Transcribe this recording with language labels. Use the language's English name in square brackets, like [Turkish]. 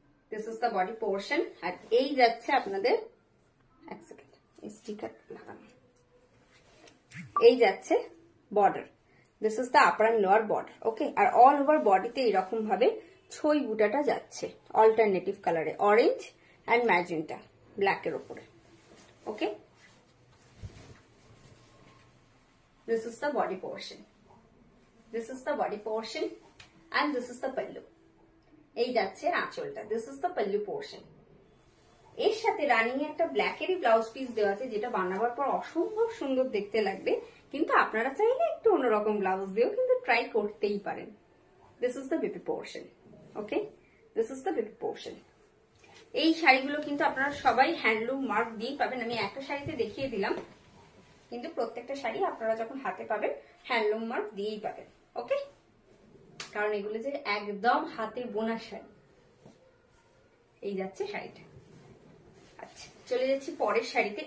[English] This is the body portion. [Bangla] আর এই যাচ্ছে আপনাদের, এক সেকেন্ড, স্টিকার লাগানো, এই যাচ্ছে border. [English] This is the upper and lower border. [Bangla] Okay, আর all over বডিতে এরকম ভাবে ছই বুটাটা যাচ্ছে অল্টারনেটিভ কালারে, অরেঞ্জ অ্যান্ড ম্যাজেন্টা ব্ল্যাক এর উপরে। [English] Okay, this is the body portion, this is the body portion and this is the pallu. [Bangla] এই যাচ্ছে আঁচলটা, [English] this is the pallu portion. [Bangla] এর সাথে রানিং এ একটা ব্ল্যাক এর ব্লাউজ পিস দেওয়া আছে, যেটা বানাবার পর অসম্ভব সুন্দর দেখতে লাগবে, কিন্তু আপনারা চাইলে একটু অন্যরকম ব্লাউজ দিয়েও কিন্তু ট্রাই করতেই পারেন। [English] This is the baby portion. Okay, this is the baby portion. [Bangla] এই শাড়িগুলো কিন্তু আপনারা সবাই হ্যান্ডলুম মার্ক দিয়ে পাবেন। আমি একটা শাড়িতে দেখিয়ে দিলাম, কিন্তু প্রত্যেকটা শাড়ি আপনারা যখন হাতে পাবেন হ্যান্ডলুম মার্ক দিয়েই পাবেন। ওকে, কারণ এগুলো যে একদম হাতে বোনা শাড়ি। এই যাচ্ছে শাড়িটা, আচ্ছা চলে যাচ্ছি পরের শাড়িতে।